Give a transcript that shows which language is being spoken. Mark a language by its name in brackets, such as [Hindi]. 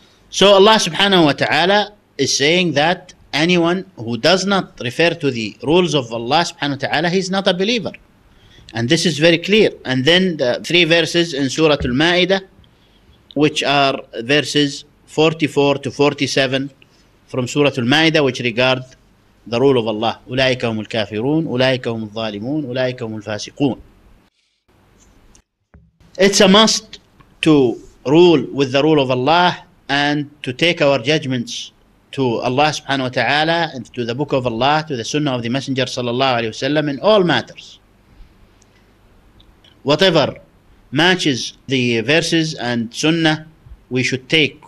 [English] So Allah subhanahu wa ta'ala is saying that anyone who does not refer to the rules of Allah subhanahu wa ta'ala, he's not a believer. And this is very clear. And then the three verses in Surah Al-Ma'idah, which are verses 44 to 47 from Surah Al-Ma'idah, which regard the rule of Allah. [Arabic] أُولَٰئِكَ هُمُ الْكَافِرُونَ أُولَٰئِكَ هُمُ الظَّالِمُونَ أُولَٰئِكَ هُمُ الْفَاسِقُونَ. [English] It's a must to rule with the rule of Allah and to take our judgments to Allah subhanahu wa ta'ala and to the book of Allah, to the sunnah of the messenger sallallahu alayhi wa sallam in all matters. Whatever matches the verses and sunnah, we should take.